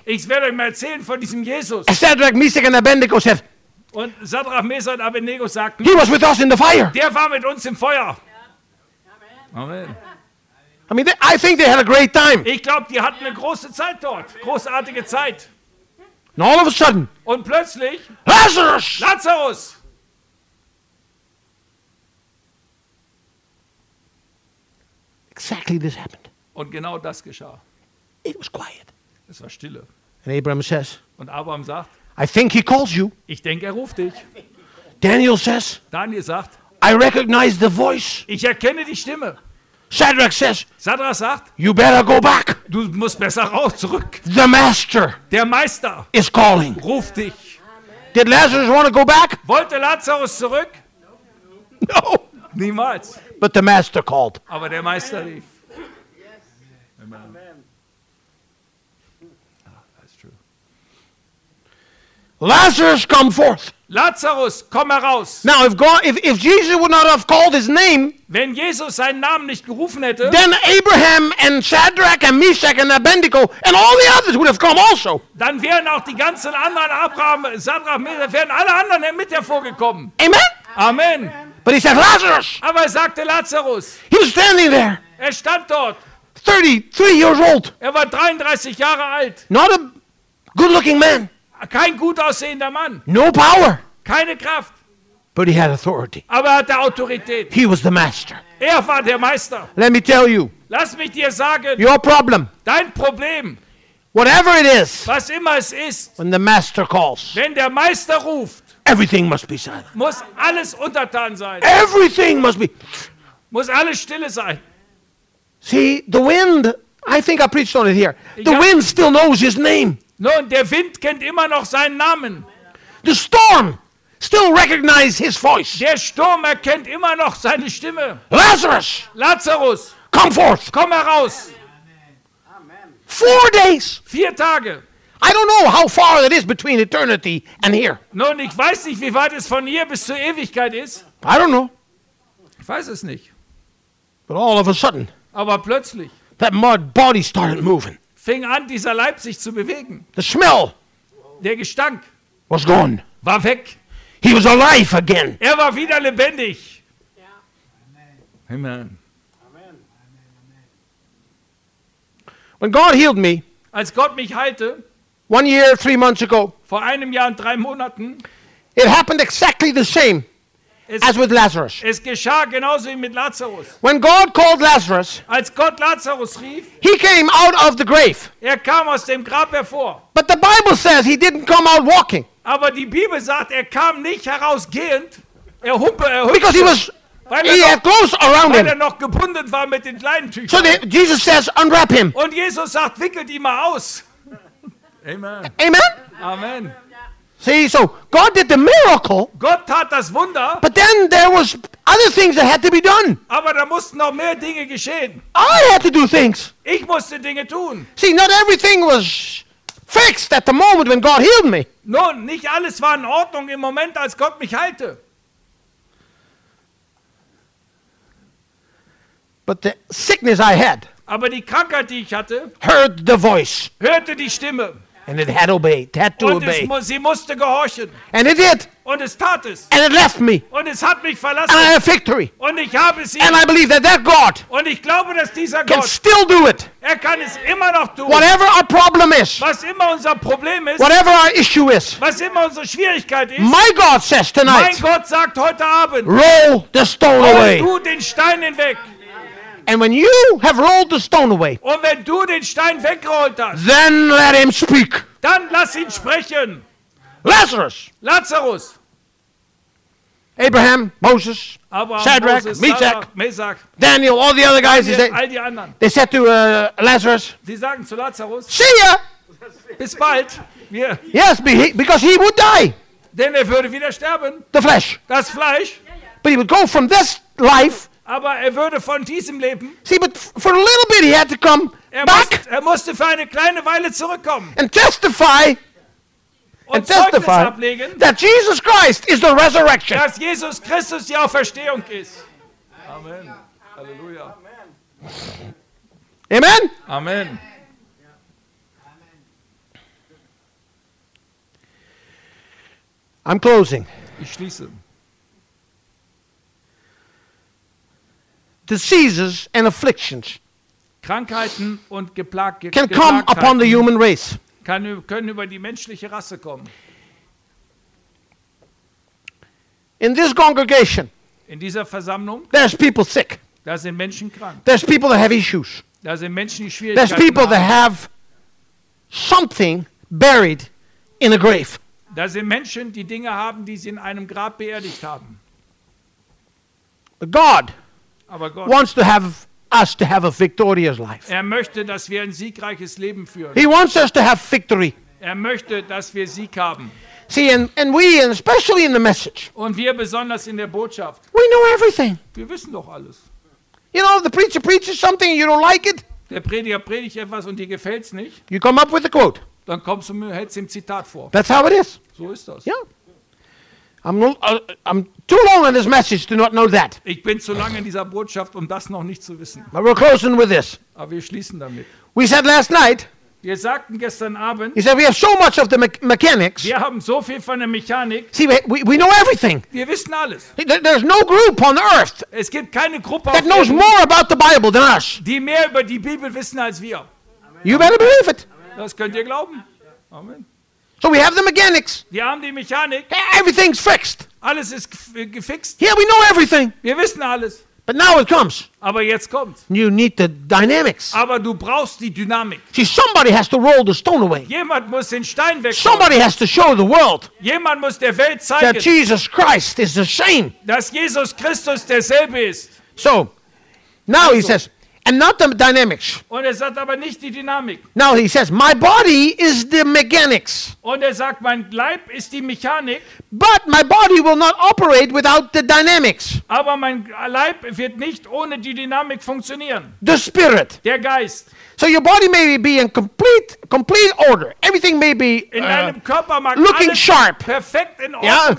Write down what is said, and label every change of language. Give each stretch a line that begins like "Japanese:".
German: Ich werde euch mal erzählen von diesem Jesus.
English: And Shadrach, Meshach and Abednego said,
German: und Shadrach, Meshach und Abednego sagten,
English: he was with us in the fire.
German: Der war mit uns im Feuer.
English: Yeah. Amen. Amen. I mean, I think they had a great time.
German: Ich glaube, die hatten eine große Zeit dort. Großartige Zeit.
English: And all of a sudden,
German: und plötzlich,
English: Lazarus! Exactly this happened.
German: Und genau das geschah.
English: It was quiet.
German: Es war stille.
English: And Abraham says,
German: und Abraham sagt,
English: I think he calls you.
German: Ich denke, er ruft dich.
English: Daniel says,
German: Daniel sagt,
English: I recognize the voice.
German: Ich erkenne die Stimme.
English: Shadrach says,
German: Shadrach sagt,
English: you better go back.
German: Du musst besser raus, zurück.
English: The master,
German: der Meister,
English: is calling.
German: Ruf dich.
English: Did Lazarus want to go back?
German: Wollte Lazarus zurück?
English: No.
German: Niemals.
English: But the master called.
German: Aber der Meister rief.
English: Yes. Amen. Amen. That's true. Lazarus, come forth.
German: Lazarus, komm heraus.
English: Now if God, if Jesus would not have called his name,
German: wenn Jesus seinen Namen nicht gerufen hätte,
English: then Abraham and Shadrach and Meshach and Abednego and all the others would have come also.
German: Dann wären auch die ganzen anderen Abraham, Shadrach, Meshach, wären alle anderen mit hervorgekommen. Amen. Amen.
English: But he said Lazarus.
German: Aber er sagte Lazarus.
English: He was standing there.
German: Er stand dort.
English: 33 years old.
German: Er war 33 Jahre alt.
English: Not a good looking man.
German: Kein gut aussehender Mann.
English: No power.
German: Keine Kraft.
English: But he had authority.
German: Aber er hatte Autorität.
English: He was the master.
German: Er war der Meister.
English: Let me tell you.
German: Lass mich dir sagen.
English: Your problem.
German: Dein Problem.
English: Whatever it is.
German: Was immer es ist.
English: When the master calls.
German: Wenn der Meister ruft.
English: Everything must be silent.
German: Muss alles untertan sein.
English: Everything must be.
German: Muss alles stille sein.
English: See, the wind, I think I preached on it here. The wind still knows his name.
German: Nun, der Wind kennt immer noch seinen Namen.
English: The storm still recognizes his voice.
German: Der Sturm erkennt immer noch seine Stimme.
English: Lazarus!
German: Lazarus!
English: Come forth!
German: Komm heraus!
English: Amen. 4 days!
German: 4 Tage!
English: I don't know how far it is between eternity and here.
German: Nun, ich weiß nicht, wie weit es von hier bis zur Ewigkeit ist.
English: I don't know.
German: Ich weiß es nicht.
English: But all of a sudden,
German: aber plötzlich,
English: that mud body started moving.
German: Fing an, dieser Leib sich zu bewegen.
English: The smell,
German: der Gestank,
English: was gone.
German: War weg.
English: He was alive again.
German: Er war wieder lebendig.
English: Yeah. Amen. Amen. Amen. When God healed me,
German: als Gott mich heilte,
English: 1 year, 3 months ago,
German: vor einem Jahr und 3 Monaten,
English: it happened exactly the same. As with Lazarus.
German: Es geschah genauso wie mit Lazarus.
English: When God called Lazarus,
German: als Gott Lazarus rief,
English: he came out of the grave.
German: Er kam aus dem Grab hervor.
English: But the Bible says he didn't come out walking.
German: Aber die Bibel sagt, er kam nicht herausgehend. Er humpe, er humpe.
English: Because
German: weil er noch gebunden war mit den kleinen Tüchern.
English: So Jesus says, unwrap him.
German: Und Jesus sagt, wickelt ihn mal aus.
English: Amen. Amen. Amen. See, so God did the miracle.
German: Gott tat das Wunder.
English: But then there was other things that had to be done.
German: Aber da mussten noch mehr Dinge geschehen.
English: I had to do things.
German: Ich musste Dinge tun.
English: See, not everything was fixed at the moment when God healed me.
German: Nun, nicht alles war in Ordnung im Moment, als Gott mich heilte.
English: But the sickness I had.
German: Aber die Krankheit, die ich hatte.
English: Heard the voice.
German: Hörte die Stimme.
English: And it had obeyed. Had to obey.
German: Und sie musste gehorchen.
English: And it did.
German: Und es tat es.
English: And it left me.
German: Und es hat mich verlassen.
English: And I have victory.
German: Und ich habe sie.
English: And I believe that God.
German: Und ich glaube, dass dieser
English: can
German: Gott.
English: Can still do it.
German: Er kann es immer noch tun.
English: Whatever our problem is.
German: Was immer unser Problem ist.
English: Whatever our issue is.
German: Was immer unsere Schwierigkeit ist.
English: My God says tonight.
German: Mein Gott sagt heute Abend.
English: Roll the stone away.
German: Roll du den Stein hinweg.
English: And when you have rolled the stone away,
German: und wenn du den Stein weggerollt hast,
English: then let him speak.
German: Dann lass ihn sprechen.
English: Lazarus.
German: Lazarus.
English: Abraham, Moses,
German: Abraham, Shadrach, Meshach,
English: Daniel, all the other guys.
German: Daniel, all die anderen.
English: They said to Lazarus,
German: sie sagen zu Lazarus,
English: see ya.
German: Bis bald.
English: Yes, because he would die.
German: Denn er würde wieder sterben.
English: The flesh.
German: Das Fleisch.
English: But he would go from this life.
German: Aber er würde von diesem Leben.
English: See, but for a little bit he had to come back.
German: Er musste für eine kleine Weile zurückkommen.
English: And testify.
German: Und testify ablegen,
English: that Jesus Christ is the resurrection.
German: Dass Jesus Christus die Auferstehung ist.
English: Amen.
German: Halleluja.
English: Amen. Amen. Amen. I'm closing.
German: Ich schließe.
English: Diseases and afflictions
German: Krankheiten und Geplagtheiten
English: can come upon the human race.
German: Können über die menschliche Rasse kommen.
English: In this congregation,
German: in dieser Versammlung,
English: there's people sick.
German: Da sind Menschen krank.
English: There's people that have issues.
German: Da sind Menschen, die Schwierigkeiten haben.
English: There's people that have something buried in a grave.
German: Da sind Menschen, die Dinge haben, die sie in einem Grab beerdigt haben.
English: God.
German: Aber Gott
English: wants to have us to have a victorious life.
German: Er möchte, dass wir ein siegreiches Leben führen.
English: He wants us to have victory.
German: Er möchte, dass wir Sieg haben.
English: See, and we, and especially in the message.
German: Und wir besonders in der Botschaft.
English: We know everything.
German: Wir wissen doch alles.
English: You know, the preacher preaches something and you don't like it.
German: Der Prediger predigt etwas und dir gefällt's nicht.
English: You come up with a quote.
German: Dann kommst du mir hältst im Zitat vor.
English: That's how it is.
German: So ist das.
English: Yeah. I'm too long in this message to not know that.
German: Ich bin zu lange in dieser Botschaft, um das noch nicht zu wissen.
English: But we're closing with this.
German: Aber wir schließen damit.
English: We said last night.
German: Wir sagten gestern Abend.
English: He said we have so much of the mechanics.
German: Wir haben so viel von der Mechanik.
English: See, we know everything.
German: Wir wissen alles.
English: There's no group on earth.
German: Es gibt keine Gruppe
English: that knows more about the Bible than us.
German: Die mehr über die Bibel wissen als wir.
English: You better believe it.
German: Das könnt ihr glauben. Amen.
English: So we have the mechanics.
German: Wir haben die Mechanik.
English: Everything's fixed.
German: Alles ist gefixt.
English: Here we know everything.
German: Wir wissen alles.
English: But now it comes.
German: Aber jetzt kommt.
English: You need the dynamics.
German: Aber du brauchst die Dynamik.
English: See, somebody has to roll the stone away.
German: Jemand muss den Stein wegrollen.
English: Somebody has to show the world.
German: Jemand muss der Welt zeigen.
English: That Jesus Christ is the same.
German: Dass Jesus Christus derselbe ist.
English: So, now also. He says, and not the dynamics.
German: Und er sagt aber nicht die Dynamik.
English: Now he says, my body is the mechanics.
German: Und er sagt, mein Leib ist die Mechanik.
English: But my body will not operate without the dynamics.
German: Aber mein Leib wird nicht ohne die Dynamik funktionieren.
English: The spirit.
German: Der Geist.
English: So your body may be in complete order. Everything may be
German: in deinem Körper mag
English: looking
German: alles
English: sharp.
German: Perfekt in Ordnung yeah.